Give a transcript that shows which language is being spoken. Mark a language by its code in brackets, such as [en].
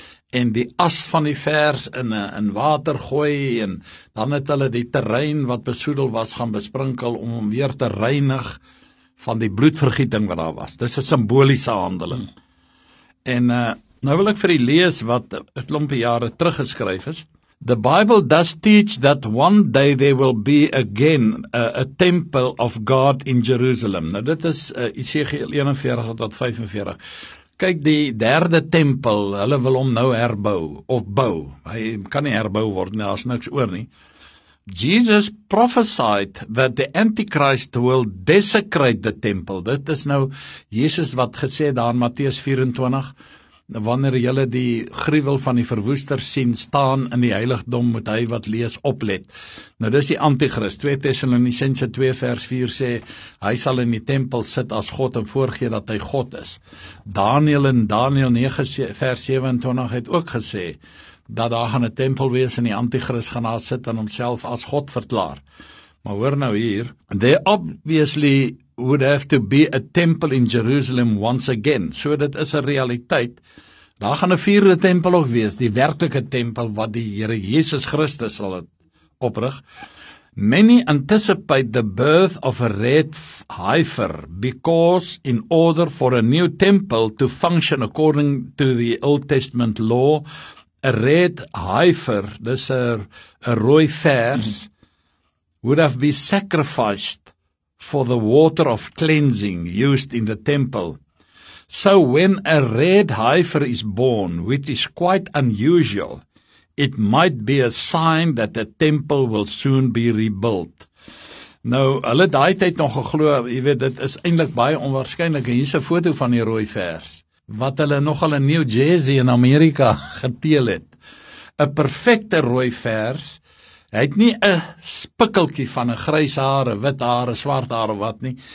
[af] en die as van die vers in water gooi, en dan het hulle die terrein wat besoedel was gaan besprinkel, om weer te reinig van die bloedvergieting wat daar was. Dis 'n simboliese handeling. En nou wil ek vir u lees wat 'n klompie jare teruggeskryf is. [en] The Bible does teach that one day there will be again a temple of God in Jerusalem. [af] Nou dit is Esegiel 41-45. Kyk, die derde tempel, hulle wil hom nou herbou, opbou. Hy kan nie herbou word, nie, daar is niks oor nie. [en] Jesus prophesied that the Antichrist will desecrate the temple. [af] Dit is nou Jesus wat gesê daar in Matteus 24, wanneer julle die gruwel van die verwoester sien staan in die heiligdom, moet hy wat lees oplet. Nou, dis die Antichrist. 2 Thessalonicense 2 vers 4 sê, hy sal in die tempel sit as God en voorgee dat hy God is. Daniel in Daniel 9 vers 27 het ook gesê, dat daar gaan 'n tempel wees en die Antichrist gaan daar sit en homself as God verklaar. Maar hoor nou hier, [en] they obviously would have to be a temple in Jerusalem once again. [af] So dit is 'n realiteit. Daar gaan 'n vierde tempel ook wees, die werklike tempel wat die Here Jesus Christus sal oprig. [en] Many anticipate the birth of a red heifer because in order for a new temple to function according to the Old Testament law, a red heifer, [af] dis 'n rooi vers, [en] would have been sacrificed for the water of cleansing used in the temple. So when a red heifer is born, which is quite unusual, it might be a sign that the temple will soon be rebuilt. [af] Nou, hulle daai tyd nog geglo, jy weet, dit is eintlik baie onwaarskynlik. Hier is 'n foto van die rooi vers, wat hulle nogal in New Jersey in Amerika geteel het. 'N Perfekte rooi vers, hy het nie 'n spikkeltjie van 'n grys hare, wit hare, swart hare, wat nie.